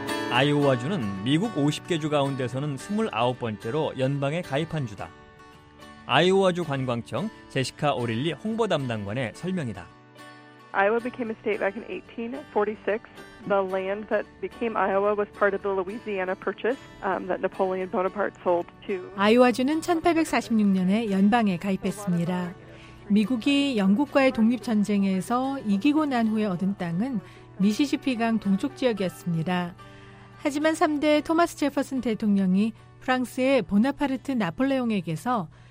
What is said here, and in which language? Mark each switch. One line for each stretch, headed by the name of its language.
Korean: 아이오와주는 미국 50개 주 가운데서는 29번째로 연방에 가입한 주다. 아이오와주 관광청 제시카 오릴리 홍보 담당관의 설명이다.
English: Iowa became a state back in 1846. The land that became Iowa was part of the Louisiana Purchase that Napoleon Bonaparte sold to.
Korean: 아이오와주는 1846년에 연방에 가입했습니다. 미국이 영국과의 독립 전쟁에서 이기고 난 후에 얻은 땅은 미시시피강 동쪽 지역이었습니다. 하지만 3대 토마스 제퍼슨 대통령이 프랑스의 보나파르트 나폴레옹에게서